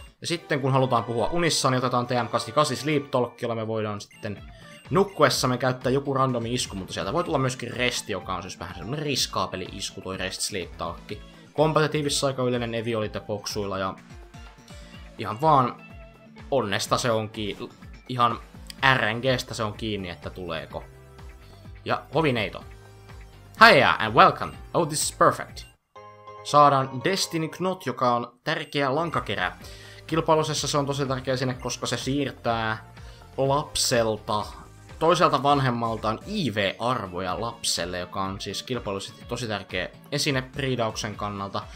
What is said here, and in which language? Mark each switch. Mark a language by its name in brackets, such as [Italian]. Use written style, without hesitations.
[Finnish] Ja sitten kun halutaan puhua unissa, niin otetaan TM88 Sleep Talk, jolla me voidaan sitten nukkuessamme käyttää joku randomi isku, mutta sieltä voi tulla myöskin resti, joka on siis vähän semmonen riskaapeli isku, toi rest Sleep Talk. Kompetitiivissa aika yleinen evi oli boksuilla ja ihan vaan onnesta se on kiinni, ihan RNGstä se on kiinni, että tuleeko. Ja hovineito. [English] Hiya and welcome, oh this is perfect. [Finnish] Saadaan Destiny Knot, joka on tärkeä lankakerä. Kilpailussa se on tosi tärkeä sinne, koska se siirtää lapselta, toiselta vanhemmaltaan IV-arvoja lapselle, joka on siis kilpailussa tosi tärkeä esine priidauksen kannalta.